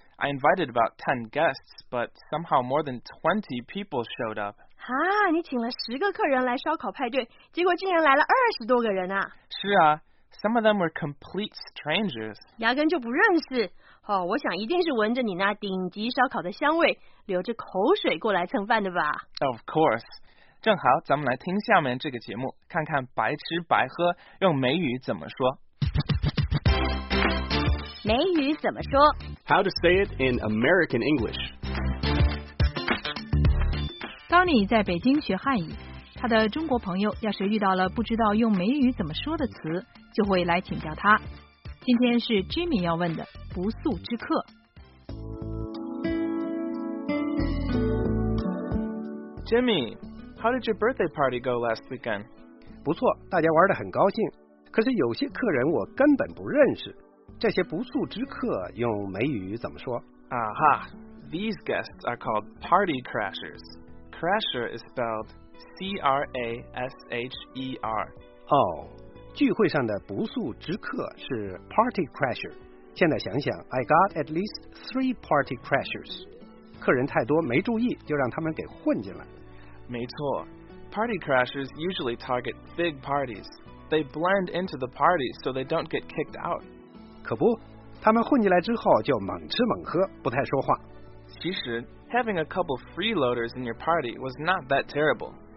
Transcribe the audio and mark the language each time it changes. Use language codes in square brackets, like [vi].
[en] I invited about 10 guests, but somehow more than 20 people showed up. [zh] 哈，你请了10个客人来烧烤派对，结果竟然来了20多个人啊。是啊， [en] some of them were complete strangers. [zh] 压根就不认识。哦，我想一定是闻着你那顶级烧烤的香味，流着口水过来蹭饭的吧。 [en] Of course. [zh] 正好咱们来听下面这个节目，看看白吃白喝用美语怎么说。美语怎么说？ [en] How to say it in American English. [zh] Tony 在北京学汉语，他的中国朋友要是遇到了不知道用美语怎么说的词，就会来请教他。今天是 Jimmy 要问的不速之客。 [en] Jimmy, how did your birthday party go last weekend? [zh] 不错，大家玩得很高兴，可是有些客人我根本不认识。这些不速之客用美语怎么说？ [en] 啊哈， these guests are called party crashers. Crasher is spelled C-R-A-S-H-E-R. [zh] 哦，聚会上的不速之客是 party crasher. 现在想想 [en] ，I got at least 3 party crashers. [zh] 客人太多，没注意，就让他们给混进来。没错 [en] ，party crashers usually target big parties. They blend into the party so they don't get kicked out. [zh] 可不，他们混进来之后就猛吃猛喝，不太说话。其实 [en] ，having a couple freeloaders in your party was not that terrible.